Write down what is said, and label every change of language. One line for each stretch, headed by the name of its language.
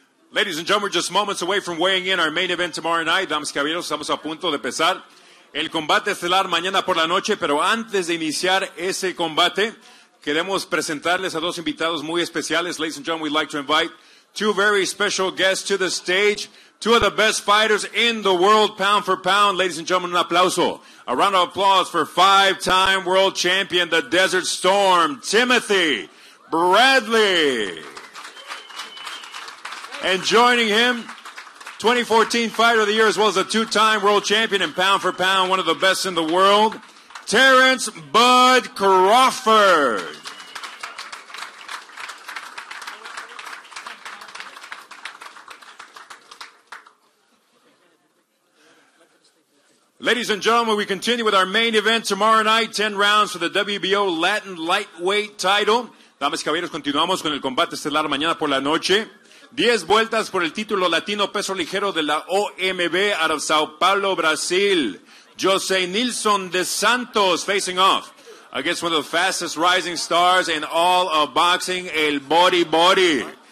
English: Ladies and gentlemen, just moments away from weighing in our main event tomorrow night.
Spanish: Damas y caballeros, estamos a punto de empezar el combate estelar mañana por la noche. Pero antes de iniciar ese combate, queremos presentarles a dos invitados muy especiales.
English: Ladies and gentlemen, we'd like to invite two very special guests to the stage. Two of the best fighters in the world, pound for pound. Ladies and gentlemen,
Spanish: un aplauso.
English: A round of applause for 5-time world champion, the Desert Storm, Timothy Bradley. And joining him, 2014 Fighter of the Year, as well as a 2-time world champion in pound for pound, one of the best in the world, Terrence Bud Crawford. Ladies and gentlemen, we continue with our main event tomorrow night, 10 rounds for the WBO Latin Lightweight title.
Spanish: Damas y caballeros, continuamos con el combate estelar mañana por la noche. 10 vueltas por el título latino peso ligero de la OMB
English: out of
Spanish: Sao Paulo, Brazil.
English: Jose Nilson de Santos facing off against one of the fastest rising stars in all of boxing, el Body Body.